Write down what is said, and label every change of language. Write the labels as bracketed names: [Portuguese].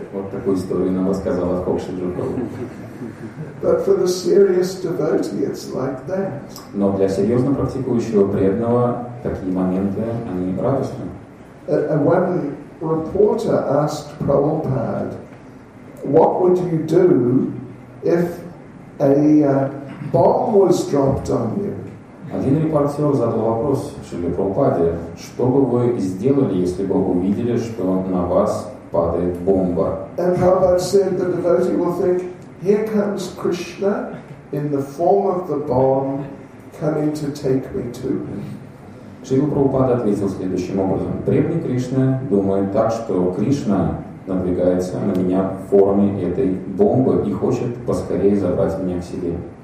[Russian] Вот такую историю нам рассказал Адхокша Джугал. [English] But for the serious devotee, it's like that. [Russian] Но для серьезно практикующего преданного такие моменты они радостны. [English] And one reporter asked Prabhupada, "What would you do if a bomb was dropped on you?" [Russian] Один репортер задал вопрос Шриле Прабхупаде: "Что бы вы сделали, если бы вы увидели, что на вас падает бомба?" [English] And Prabhupada said the devotee will think, "Here comes Krishna in the form of the bomb, coming to take me to him." [Russian] Шрила Прабхупада ответил следующим образом: "Преданный Кришна думает так, что Кришна надвигается на меня в форме этой бомбы и хочет поскорее забрать меня к себе."